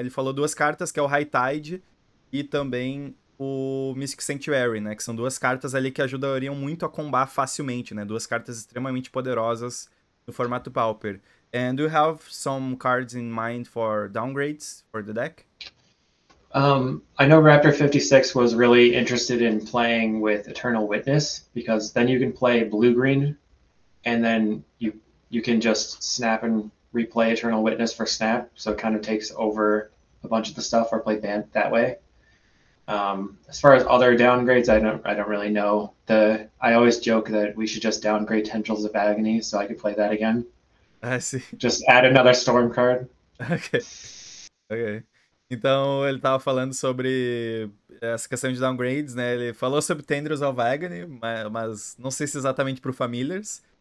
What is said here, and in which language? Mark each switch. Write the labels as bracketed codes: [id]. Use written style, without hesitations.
[pt] Ele falou duas cartas, que é o High Tide e também o Mystic Sanctuary, né? Que são duas cartas ali que ajudariam muito a combar facilmente, né? Duas cartas extremamente poderosas no formato Pauper. [en] And do you have some cards in mind for downgrades for the deck? I know Raptor 56 was really interested in playing with Eternal Witness, because then you can play blue-green, and then you can just snap and replay Eternal Witness for snap, so it kind of takes over a bunch of the stuff or play Bant that way. As far as other downgrades, I don't really know. I always joke that we should just downgrade Tendrils of Agony so I could play that again. I see. Just add another Storm card. Okay. [pt] Então, ele tava falando sobre essa questão de downgrades, né? Ele falou sobre Tendrils of Agony, mas não sei se exatamente pro Familiars.